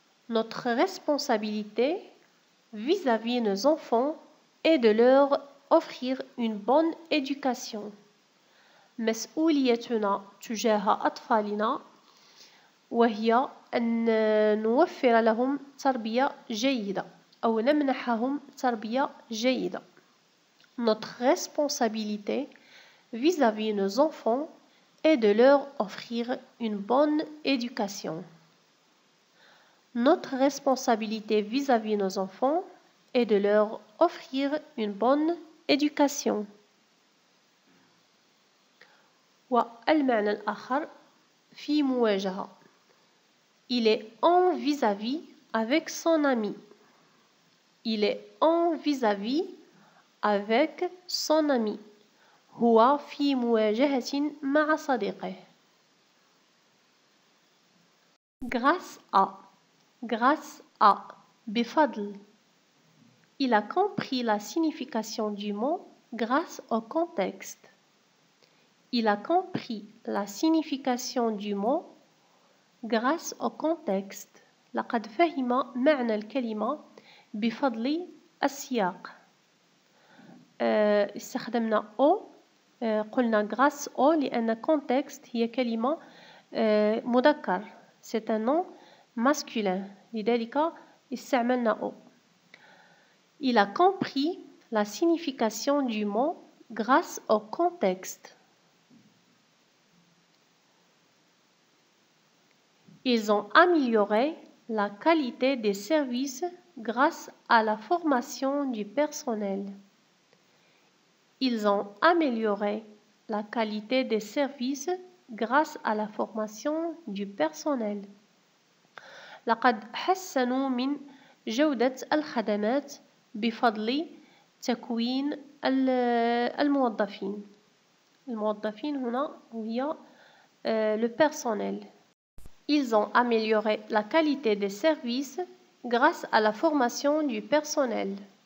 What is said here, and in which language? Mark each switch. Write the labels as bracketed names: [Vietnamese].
[French] Notre responsabilité vis-à-vis nos enfants est de leur offrir une bonne éducation [Arabic] مسؤوليتنا تجاه أطفالنا وهي أن نوفر لهم تربية جيدة [French] أو نمنحهم تربية جيدة Notre responsabilité vis-à-vis nos enfants est de leur offrir une bonne éducation. Notre responsabilité vis-à-vis nos enfants est de leur offrir une bonne éducation. [Arabic] Wa al-ma'n al-akhar fi muwajaha. [French] Il est en vis-à-vis avec son ami. Il est en vis-à-vis avec son ami. [Arabic] Huwa fi muwajahatin ma'a sadiqihi. [French] Grâce à, bifadl. Il a compris la signification du mot grâce au contexte. Il a compris la signification du mot grâce au contexte. [Arabic] لقد فهم معنى الكلمة بفضل السياق. استخدمنا او قلنا grâce au لأن context هي كلمة مذكر. [French] C'est un nom masculin. [Arabic] لذلك استعملنا او. [French] Il a compris la signification du mot grâce au contexte. Ils ont amélioré la qualité des services grâce à la formation du personnel. Ils ont amélioré la qualité des services grâce à la formation du personnel. [Arabic] لقد حسنوا من جودة الخدمات بفضل تكوين الموظفين. الموظفين هنا هي le personnel. [French] Ils ont amélioré la qualité des services grâce à la formation du personnel.